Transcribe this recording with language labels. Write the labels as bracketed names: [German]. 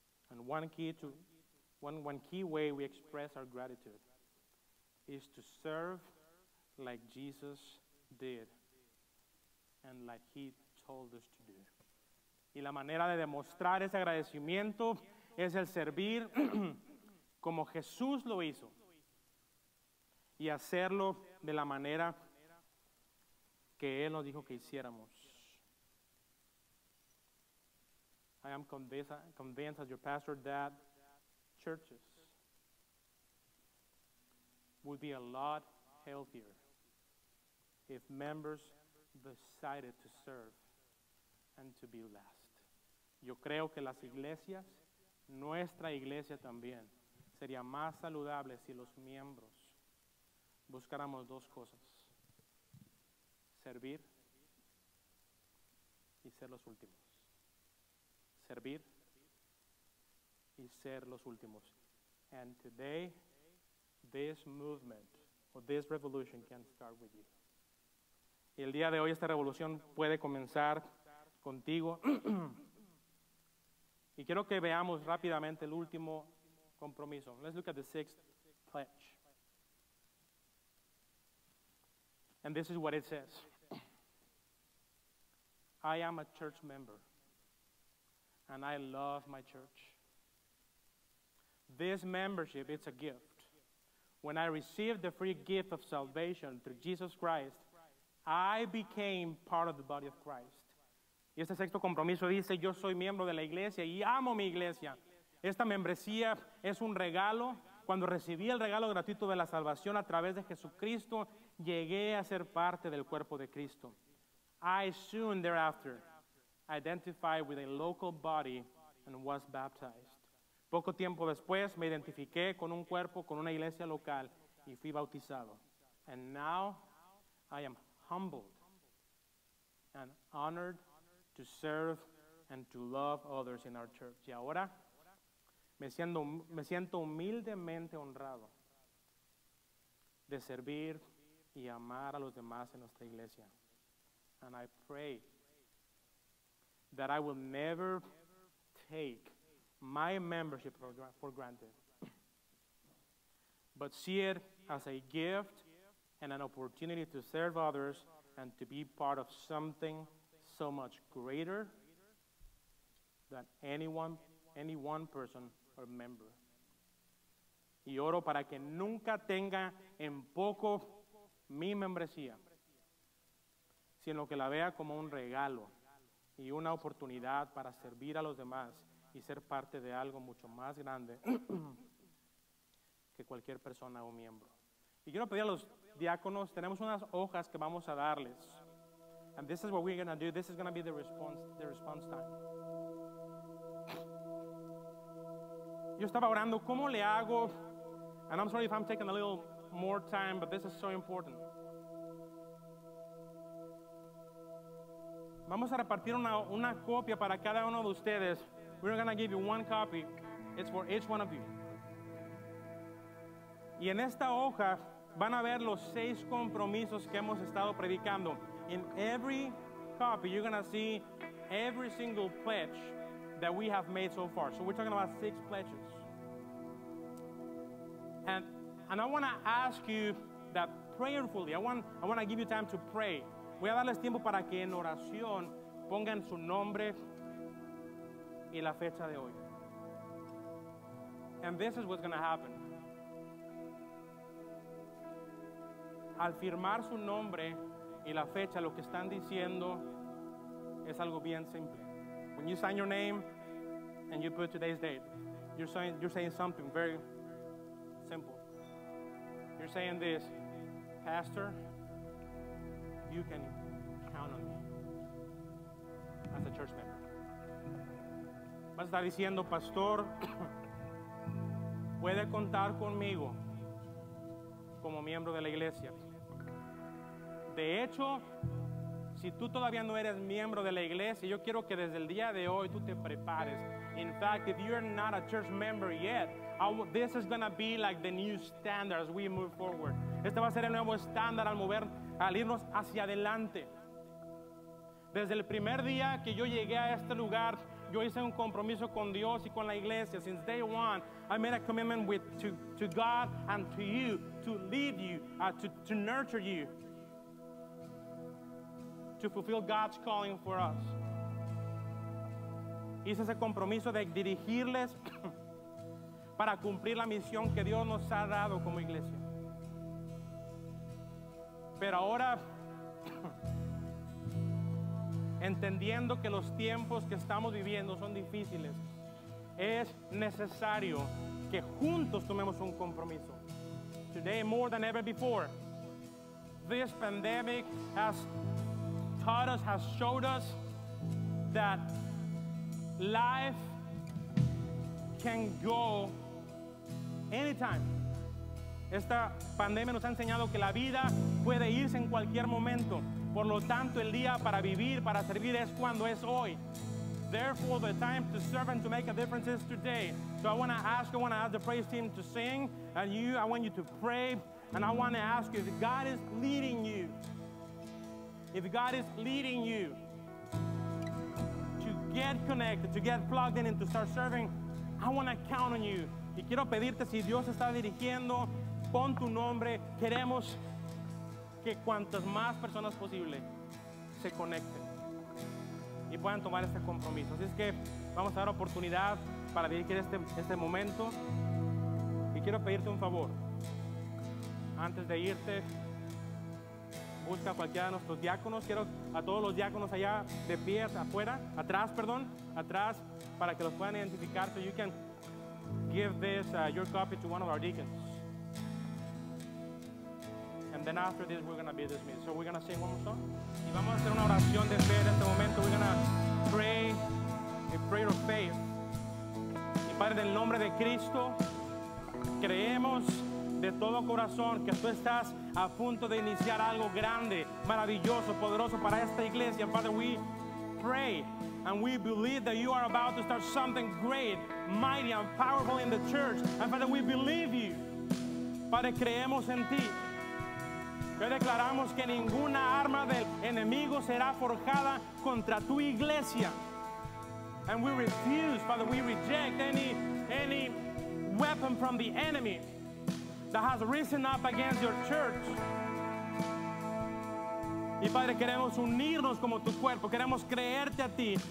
[English] And one key way we express our gratitude is to serve like Jesus did and like he told us to do. [Spanish] Y la manera de demostrar ese agradecimiento es el servir como Jesús lo hizo y hacerlo de la manera que Él nos dijo que hiciéramos. [English] I am convinced as your pastor that churches would be a lot healthier if members decided to serve and to be last. [Spanish] Yo creo que las iglesias, nuestra iglesia también, sería más saludable si los miembros buscáramos dos cosas: servir y ser los últimos. Servir y ser los últimos. [English] And today, this movement or this revolution can start with you. [Spanish] Y el día de hoy esta revolución puede comenzar contigo. Y quiero que veamos rápidamente el último compromiso. [English] Let's look at the sixth pledge. And this is what it says. I am a church member, and I love my church. This membership, it's a gift. When I received the free gift of salvation through Jesus Christ, I became part of the body of Christ. [Spanish] Y este sexto compromiso dice, yo soy miembro de la iglesia y amo mi iglesia. Esta membresía es un regalo. Cuando recibí el regalo gratuito de la salvación a través de Jesucristo, llegué a ser parte del cuerpo de Cristo. [English] I soon thereafter identified with a local body and was baptized. [Spanish] Poco tiempo después me identifiqué con un cuerpo, con una iglesia local y fui bautizado. [English] And now I am humbled and honored to serve and to love others in our church. [Spanish] Y ahora me siento humildemente honrado de servir y amar a los demás en nuestra iglesia. [English] And I pray that I will never take my membership for granted, but see it as a gift and an opportunity to serve others and to be part of something so much greater than any one person or member. [Spanish] Y oro para que nunca tenga en poco mi membresía, sino que la vea como un regalo y una oportunidad para servir a los demás y ser parte de algo mucho más grande que cualquier persona o miembro. Y quiero pedir a los diáconos, tenemos unas hojas que vamos a darles. [English] And this is what we're going to do. This is going to be the response time. [Spanish] Yo estaba orando, ¿cómo le hago? [English] And I'm sorry if I'm taking a little more time, but this is so important. [Spanish] Vamos a repartir una copia para cada uno de ustedes. [English] We're going to give you one copy. It's for each one of you. [Spanish] Y en esta hoja van a ver los seis compromisos que hemos estado predicando. [English] In every copy, you're going to see every single pledge that we have made so far. So we're talking about six pledges. And I want to ask you that prayerfully. I want to give you time to pray. [Spanish] Voy a darles tiempo para que en oración pongan su nombre y la fecha de hoy. [English] And this is what's going to happen. [Spanish] Al firmar su nombre y la fecha, lo que están diciendo es algo bien simple. [English] When you sign your name and you put today's date, you're saying something very, you're saying this, Pastor, you can count on me as a church member. [Spanish] Vas a estar diciendo, Pastor, puede contar conmigo como miembro de la iglesia. De hecho, si tú todavía no eres miembro de la iglesia, yo quiero que desde el día de hoy tú te prepares. [English] In fact, if you're not a church member yet, this is going to be like the new standard as we move forward. [Spanish] Este va a ser el nuevo estándar al mover, al irnos hacia adelante. Desde el primer día que yo llegué a este lugar, yo hice un compromiso con Dios y con la iglesia. [English] Since day one, I made a commitment to God and to you to lead you, to nurture you, to fulfill God's calling for us. [Spanish] Hice ese compromiso de dirigirles para cumplir la misión que Dios nos ha dado como iglesia. Pero ahora, entendiendo que los tiempos que estamos viviendo son difíciles, es necesario que juntos tomemos un compromiso. [English] Today, more than ever before, this pandemic has taught us, has showed us that life can go anytime. [Spanish] Esta pandemia nos ha enseñado que la vida puede irse en cualquier momento. Por lo tanto, el día para vivir, para servir es cuando es hoy. [English] Therefore, the time to serve and to make a difference is today. So I want to ask the praise team to sing, and you, I want you to pray, and I want to ask you, if God is leading you to get connected, to get plugged in and to start serving, I want to count on you. [Spanish] Y quiero pedirte, si Dios está dirigiendo, pon tu nombre. Queremos que cuantas más personas posible se conecten y puedan tomar este compromiso. Así es que vamos a dar oportunidad para dirigir este momento. Y quiero pedirte un favor. Antes de irte, busca a cualquiera de nuestros diáconos. Quiero a todos los diáconos allá de pie, atrás, para que los puedan identificar. [English] So you can give this, your copy to one of our deacons. And then after this, we're going to be dismissed. So we're going to sing one more song. [Spanish] Y vamos a hacer una oración de fe en este momento. [English] We're going to pray a prayer of faith. [Spanish] Y Padre, en el nombre de Cristo, creemos de todo corazón que tú estás a punto de iniciar algo grande, maravilloso, poderoso para esta iglesia. [English] Father, we pray and we believe that you are about to start something great, mighty and powerful in the church. And Father, we believe you. [Spanish] Padre, creemos en ti. Hoy declaramos que ninguna arma del enemigo será forjada contra tu iglesia. [English] And we refuse, Father, we reject any weapon from the enemy that has risen up against your church. [Spanish] Y Padre, queremos unirnos como tu cuerpo, queremos creerte a ti.